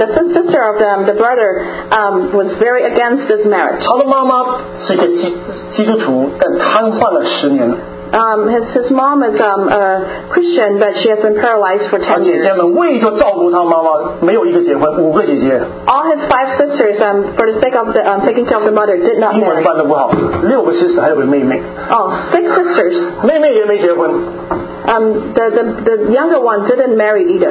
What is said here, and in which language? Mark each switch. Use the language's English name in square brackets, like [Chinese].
[English] the sibling sister of the brother was very against this marriage. [Chinese] 他的妈妈是一个基督徒，但瘫痪了十年了。 [English] His mom is a Christian, but she has been paralyzed for 10 years. [Chinese] 姐姐们为着照顾他妈妈，没有一个结婚，五个姐姐。 [English] All his five sisters, for the sake of the taking care of the mother, did not marry. [Chinese] 英文翻得不好，六个sister还有个妹妹。 [English] Oh, six sisters. [Chinese] 妹妹也没结婚。 [English] The younger one didn't marry either.